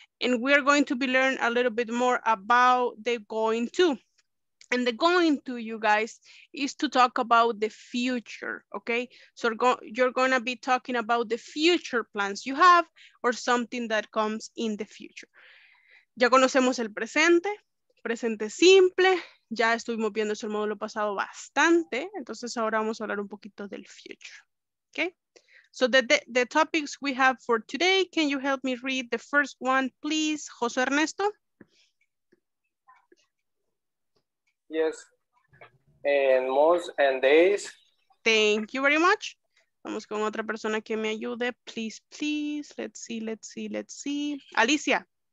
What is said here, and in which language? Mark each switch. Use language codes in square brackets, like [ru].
[en] And we're going to be learning a little bit more about the going to. And the going to, you guys, is to talk about the future, okay? So you're gonna be talking about the future plans you have or something that comes in the future. [es] Ya conocemos el presente, presente simple. Ya estuvimos viendo eso el módulo pasado bastante, entonces ahora vamos a hablar un poquito del future, okay? [en] So the topics we have for today, can you help me read the first one, please, José Ernesto? Yes, and months and days. Thank you very much. [es] Vamos con otra persona que me ayude, [en] please, please, let's see. Alicia.